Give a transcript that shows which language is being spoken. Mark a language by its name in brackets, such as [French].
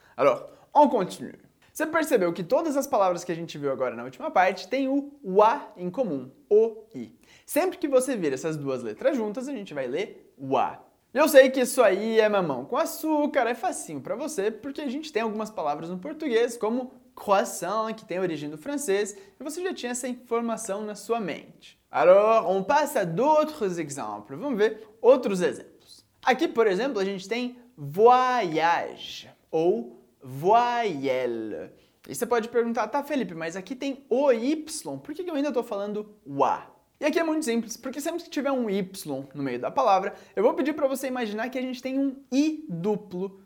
[French] Alors, on continue. [Portuguese] Você percebeu que todas as palavras que a gente viu agora na última parte têm o wa em comum, o i. Sempre que você vir essas duas letras juntas, a gente vai ler wa. Eu sei que isso aí é mamão com açúcar, é facinho pra você, porque a gente tem algumas palavras no português, como croissant, que tem origem do francês, e você já tinha essa informação na sua mente. [French] Alors, on passe à d'autres exemples. [Portuguese] Vamos ver outros exemplos. Aqui, por exemplo, a gente tem voyage, ou voyelle. E você pode perguntar, tá, Felipe, mas aqui tem o y, por que eu ainda tô falando wa? E aqui é muito simples, porque sempre que tiver um y no meio da palavra, eu vou pedir para você imaginar que a gente tem um i duplo.